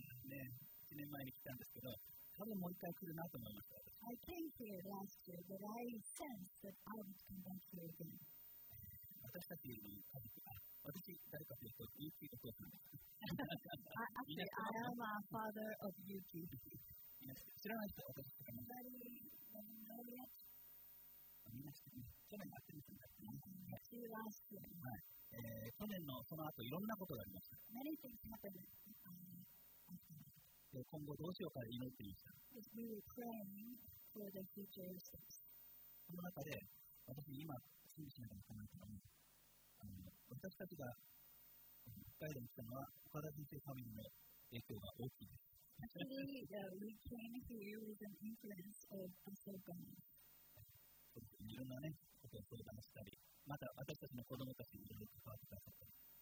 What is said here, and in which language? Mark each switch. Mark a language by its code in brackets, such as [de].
[ja] ね、1年前に来たんですけど、多分もう一回来るなと思いました。 [en] I came here last year, but I sense that I'm coming back here again. [ja] 私たちの家族、私、誰かというと、ユキのお父さんです。 [en] Actually, I am a father of Yuki. [ja] 知らない人は私とかも。 [en] Anybody know yet? [ja] 去年のその後、いろんなことがありました。 [en] Many things happened. [ja] で、今後どうしようか祈っていました。 [en] We were praying for the future steps. [ja] その中で、私今、信じながら考えたのは、私たちが北海道に来たのは、岡田先生ファミリーの影響が大きいです。 [en] Actually, we came here with an influence of the Sogam [ja] いろんな、ね、ことを相談したり、また私たちの子供たちにいろいろ関わってくださったり。